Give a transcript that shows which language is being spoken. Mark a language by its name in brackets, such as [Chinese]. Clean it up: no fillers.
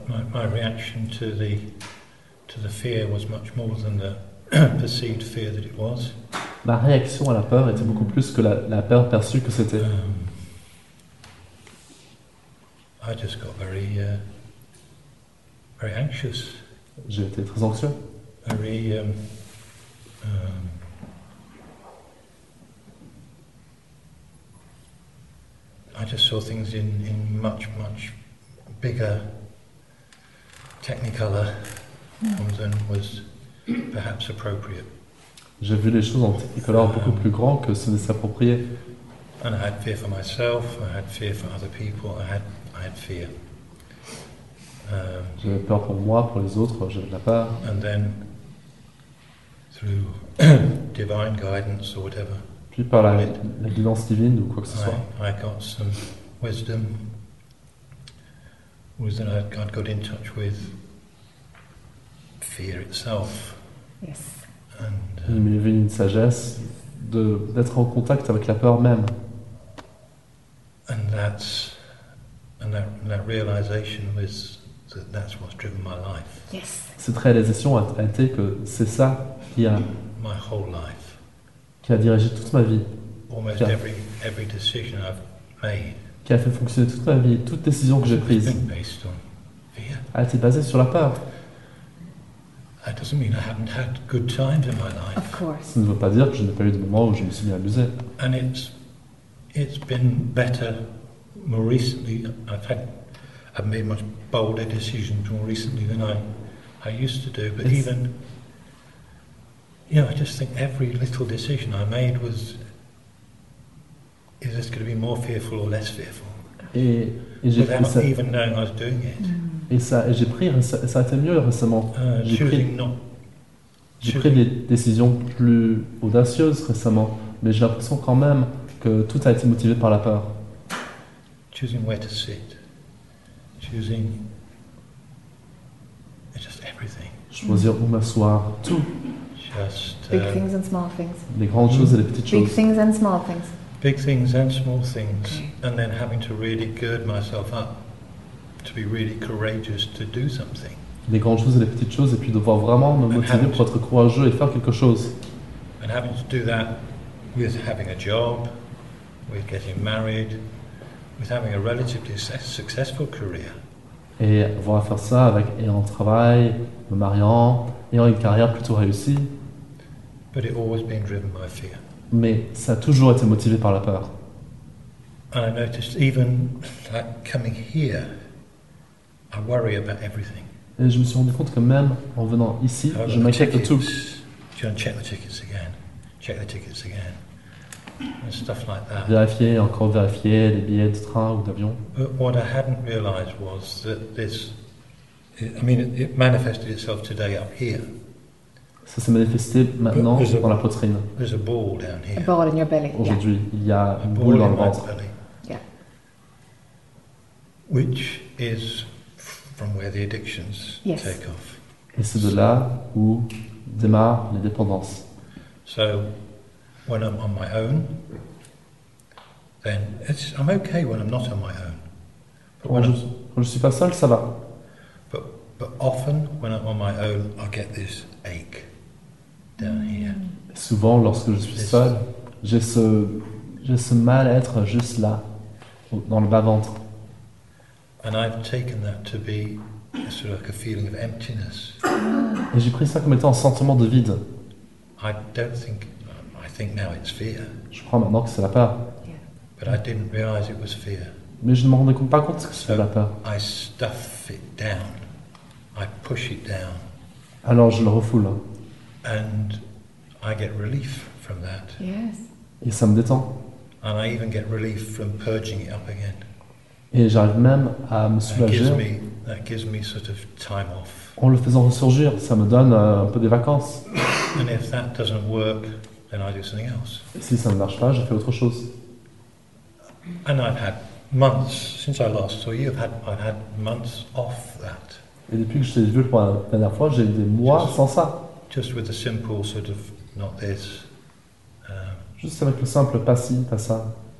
[English] My reaction to the fear was much more than the perceived fear that it was. [French] Ma réaction à la peur était beaucoup plus que la peur perçue que c'était. [English] I just got very anxious. [French] J'ai été très anxieux. [English] Very I just saw things in much, much bigger technicolor than was perhaps appropriate. [French] J'ai vu les choses en technicolor beaucoup plus grand que ce n'est approprié. [English] And I had fear for myself, I had fear for other people, I had fear. [French] J'avais peur pour moi, pour les autres, j'avais de la peur. [English] And then, through divine guidance or whatever, [French] puis par la guidance divine ou quoi que ce soit, [English] I got some wisdom, was that I'd got in touch with fear itself. Yes. And [French] il m'est venu une sagesse d'être en contact avec la peur même. [English] And that realization was that that's what's driven my life. Yes. [French] Cette réalisation a été que c'est ça qui a [English] my whole life. [French] Qui a dirigé toute ma vie. [English] Almost every decision I've made. [French] Qui a fait fonctionner toute ma vie, toute décision que j'ai prise. [English] Based on fear. [French] A été basée sur la peur. [English] That doesn't mean I haven't had good times in my life. Of course. [French] Ça ne veut pas dire que je n'ai pas eu de moments où je me suis bien amusé. [English] And it's been better more recently. I've made much bolder decisions more recently than I used to do. But even You know, I just think every little decision I made was, is this going to be more fearful or less fearful? [French] Et j'ai pris, ça a été mieux récemment. J'ai pris des décisions plus audacieuses récemment, mais j'ai l'impression quand même que tout a été motivé par la peur. [English] Choosing where to sit, choosing just everything. [French] Choisir où m'asseoir, tout. [English] Just, big things and small things. [French] Les grandes choses et les petites choses. [English] Big things and small things. Big things and small things, and then having to really gird myself up to be really courageous to do something. [French] Les grandes choses et les petites choses, et puis devoir vraiment me motiver pour être courageux et faire quelque chose. [English] And having to do that with having a job, with getting married, with having a relatively successful career. [French] Et avoir à faire ça avec ayant un travail, me mariant, ayant une carrière plutôt réussie. [English] But it always been driven by fear. [French] Mais ça a toujours été motivé par la peur. [English] And I noticed even like coming here, I worry about everything. [French] Et je me suis rendu compte que même en venant ici, je m'inquiète de tout. [English] Do you want to check the tickets again? Check the tickets again. And stuff like that. [French] Vérifier, encore vérifier les billets de train ou d'avion. [English] But what I hadn't realized was that this, I mean, it manifested itself today up here. [French] Ça s'est manifesté maintenant dans la poitrine. [English] There's a ball down here. A ball in your belly. [French] Aujourd'hui, [English] yeah. [French] Il y a une boule dans le ventre. [English] Yeah. Which is from where the addictions take off. [French] Et c'est de là où démarrent les dépendances. [English] So, when I'm on my own, then I'm okay when I'm not on my own. [French] But quand je ne suis pas seul, ça va. [English] But often, when I'm on my own, I get this ache down here. [French] Souvent, lorsque je suis seul, j'ai ce mal-être juste là, dans le bas-ventre. [English] And I've taken that to be a sort of like a feeling of emptiness. [French] Et j'ai pris ça comme étant un sentiment de vide. [English] I think now it's fear. [French] Je crois maintenant que c'est la peur. [English] But I didn't realize it was fear. [French] Mais je ne me rendais pas compte que c'était la peur. [English] I stuff it down. I push it down. [French] Alors je le refoule. [English] And I get relief from that. Yes. [French] Et ça me détend. [English] And I even get relief from purging it up again. [French] Et j'arrive même à me soulager. [English] That gives me sort of time off. [French] En le faisant ressurgir, ça me donne un peu des vacances. [English] And if that doesn't work, then I do something else. [French] Et si ça ne marche pas, je fais autre chose. [English] And I've had months since I last saw you. I've had months off that. [French] Et depuis que je t'ai vu pour la dernière fois, j'ai des mois sans ça. [English] Just with a simple sort of not this. [French] Juste avec le simple pas ci, pas ça.